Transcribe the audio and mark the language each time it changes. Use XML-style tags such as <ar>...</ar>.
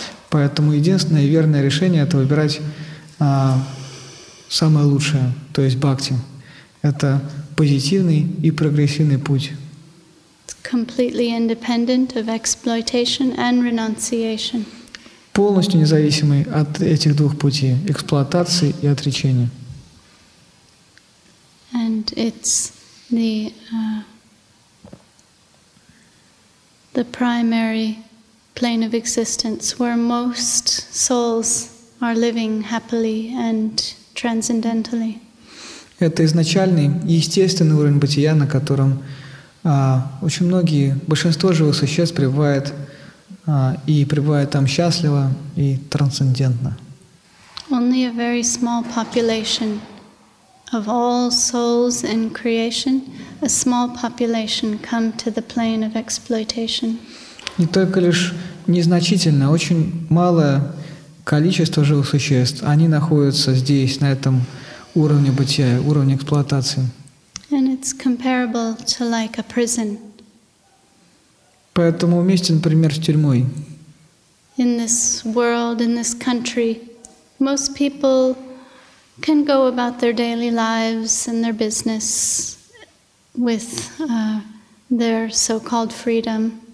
<ru>Поэтому единственное верное решение — это выбирать самое лучшее, то есть бхакти. Это позитивный и прогрессивный путь.</ru> <en>Completely independent of exploitation and renunciation.</en> <ru>Полностью независимый от этих двух путей — эксплуатации и отречения.</ru> <en>And it's the primary plane of existence where most souls are living happily and transcendentally.</en> <ru>Это изначальный, естественный уровень бытия, на котором очень многие, большинство живых существ пребывает и пребывает там счастливо и трансцендентно.</ru> <en>Only a very small population of all souls in creation, a small population come to the plane of exploitation.</en> <ru>Не только лишь незначительно, очень малое количество живых существ, они находятся здесь, на этом уровне бытия, уровне эксплуатации.</ru> <en>And it's comparable to like a prison.</en> <ru>Поэтому уместен пример с тюрьмой.</ru> <en>In this world, in this country, most people can go about their daily lives and their business with their so-called freedom.</en>